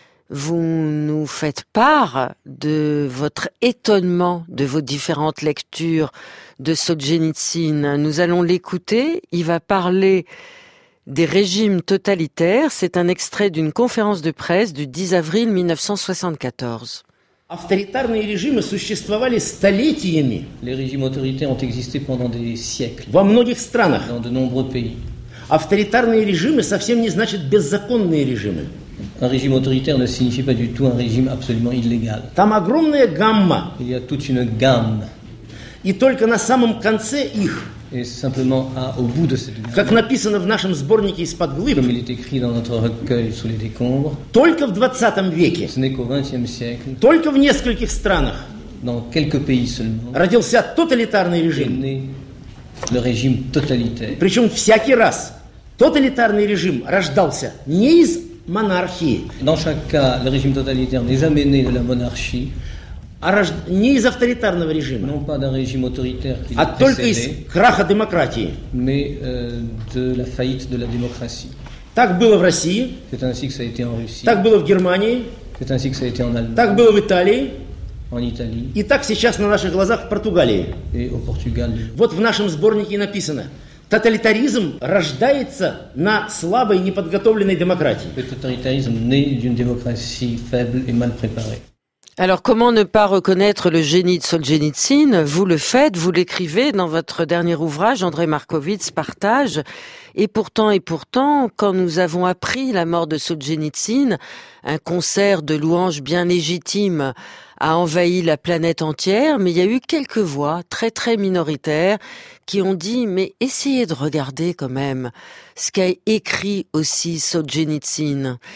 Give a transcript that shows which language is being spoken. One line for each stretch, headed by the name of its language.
French: vous nous faites part de votre étonnement de vos différentes lectures de Solzhenitsyn. Nous allons l'écouter. Il va parler des régimes totalitaires. C'est un extrait d'une conférence de presse du 10 avril 1974.
Russian: Авторитарные режимы существовали столетиями.
French: Les régimes autoritaires ont existé pendant des siècles.
Russian: Во многих странах.
French: Dans de nombreux pays.
Russian: Авторитарные режимы совсем не значит беззаконные режимы.
French: Un régime autoritaire ne signifie pas du tout un régime absolument illégal.
Russian: Там огромная гамма.
French: Il y a toute une gamme.
Russian: И только на самом конце их.
French: Et simplement au bout de cette gamme.
Russian: Как написано в нашем сборнике из-под глыб.
French: Comme il est écrit dans notre recueil sous les décombres.
Russian: Только в 20 веке.
French: Ce n'est qu'au 20e siècle.
Russian: Только в нескольких странах.
French: Dans quelques pays seulement.
Russian: Родился тоталитарный режим.
French: Le régime totalitaire.
Russian: Причем всякий раз тоталитарный режим рождался не из монархии.
French: Dans chaque cas, le régime totalitaire n'est jamais né de la monarchie.
Russian: Не из авторитарного режима,
French: non, pas d'un régime autoritaire qui
Russian: а только из краха демократии.
French: Mais, de la faillite de la démocratie.
Russian: Так было в России.
French: C'est ainsi que ça a été en Russie.
Russian: Так было в Германии.
French: C'est ainsi que ça a été en Allemagne.
Russian: Так было в Италии.
French: En Italie.
Russian: И так сейчас на наших глазах в Португалии.
French: Et au Portugal.
Russian: Вот в нашем сборнике написано. Тоталитаризм рождается на слабой, неподготовленной демократии.
French: Le totalitarisme naît d'une démocratie faible et mal préparée. Alors, comment ne pas reconnaître le génie de Solzhenitsyn? Vous le faites, vous l'écrivez dans votre dernier ouvrage, André Markowitz, Partage. Et pourtant, quand nous avons appris la mort de Solzhenitsyn, un concert de louanges bien légitimes a envahi la planète entière, mais il y a eu quelques voix très très minoritaires qui ont dit, mais essayez de regarder quand même ce qu'a écrit aussi Solzhenitsyn.